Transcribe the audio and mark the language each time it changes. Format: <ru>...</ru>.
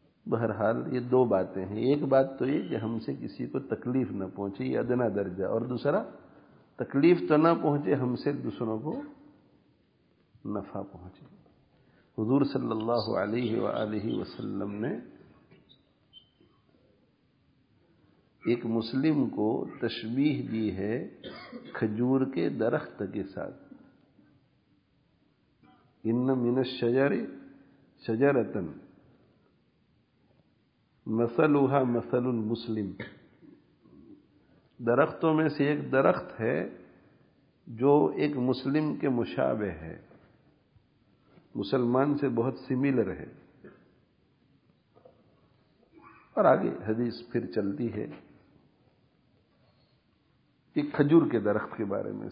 <ur>بہرحال یہ دو باتیں ہیں, ایک بات تو یہ کہ ہم سے کسی کو تکلیف نہ پہنچے, یہ ادنا درجہ, اور دوسرا تکلیف تو نہ پہنچے ہم سے دوسروں کو نفع پہنچے. حضور صلی اللہ علیہ وآلہ وسلم نے ایک مسلم کو تشبیہ دی ہے کھجور کے درخت کے ساتھ.</ur> <ar>ان من الشجر شجرۃ مثلها مثل المسلم.</ar> <ur>درختوں میں سے ایک درخت ہے جو ایک مسلم کے مشابہ ہے, مسلمان سے بہت سملر ہے. اور آگے حدیث پھر چلتی ہے کھجور کے درخت کے بارے میں.</ur>